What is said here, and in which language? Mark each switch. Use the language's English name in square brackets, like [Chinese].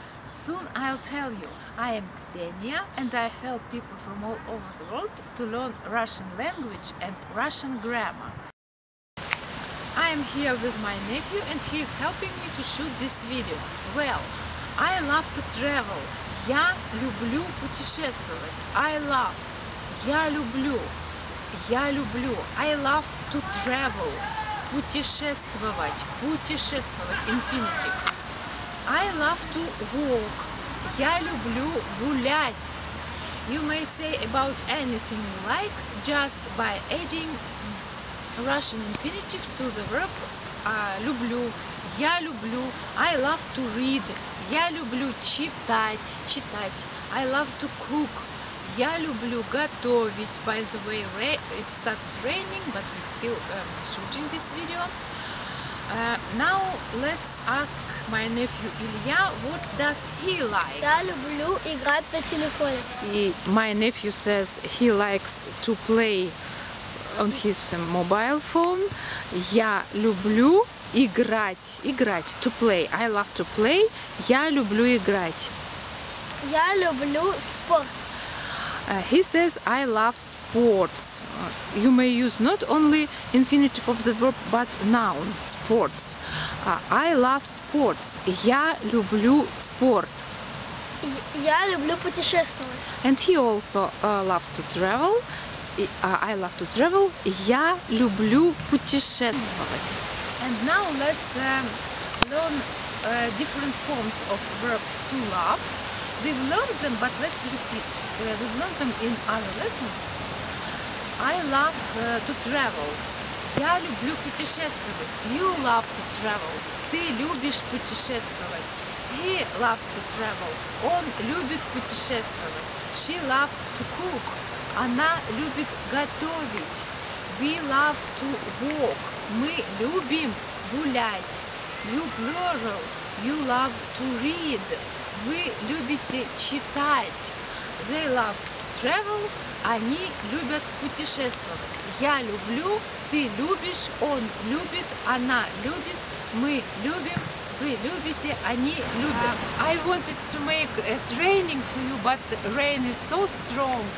[English] Soon I'll tell you. I am Ksenia and I help people from all over the world to learn Russian language and Russian grammar. I am here with my nephew and he is helping me to shoot this video. Well, I love to travel. [Russian] Я люблю путешествовать. [English] I love. [Russian] Я люблю. Я люблю. [English] I love to travel. [Russian] Путешествовать, путешествовать, [English] infinitive. I love to walk. [Russian] Я люблю гулять. [English] You may say about anything you like just by adding Russian infinitive to the verb люблю. [Russian] Я люблю. [English] I love to read. [Russian] Я люблю читать, читать. [English] I love to cook. [Russian] Я люблю готовить. [English] By the way, it starts raining, but we're still shooting this video. Now let's ask my nephew Илья, what does he like? [Russian] Я люблю играть на телефоне. [English] My nephew says he likes to play on his mobile phone. [Russian] Я люблю играть. Играть, [English] to play. I love to play. [Russian] Я люблю играть. Я люблю спорт. [English] He says, I love sports. You may use not only infinitive of the verb, but noun, sports. I love sports. [Russian] Я люблю спорт. Я люблю путешествовать. [English] And he also loves to travel. I love to travel. [Russian] Я люблю путешествовать. [English] And now let's learn different forms of verb to love. We've learned them, but let's repeat. We've learned them in other lessons. I love to travel. [Russian] Я люблю путешествовать. [English] You love to travel. [Russian] Ты любишь путешествовать. [English] He loves to travel. [Russian] Он любит путешествовать. [English] She loves to cook. [Russian] Она любит готовить. [English] We love to walk. [Russian] Мы любим гулять. [English] You plural. You love to read. [Russian] Вы любите читать. [English] They love to travel. [Russian] Они любят путешествовать. Я люблю, ты любишь, он любит, она любит, мы любим, вы любите, они любят. [English] I wanted to make a training for you, but rain is so strong.